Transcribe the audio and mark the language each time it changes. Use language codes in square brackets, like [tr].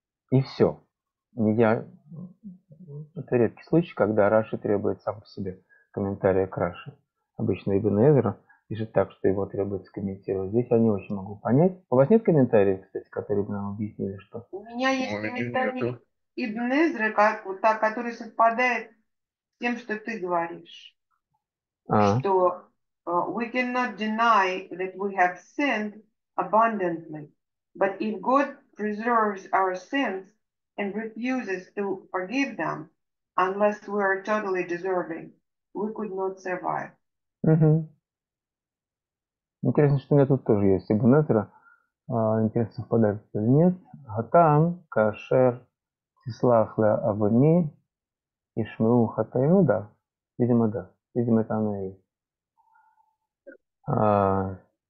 [ru] И все. Это редкий случай, когда Раши требует сам по себе комментария к Раши. Обычно Ибн Эзра пишет так, что его требует скомментировать. Здесь я не очень могу понять. У вас нет комментариев, кстати, которые бы нам объяснили, что... У меня есть комментарий Ибн Эзра, который совпадает с тем, что ты говоришь. [en] Что we cannot deny that we have sinned abundantly. But if God preserves our sins and refuses to forgive them, unless we are totally deserving, we could not survive. [ru] Интересно, что у меня тут тоже есть Ибн Эзра. Интересно, совпадает или нет. [he] Хатам, кашер, сислах ле авони, ишмеу хатай. [ru] Ну да, видимо, да. Видимо, это оно и есть.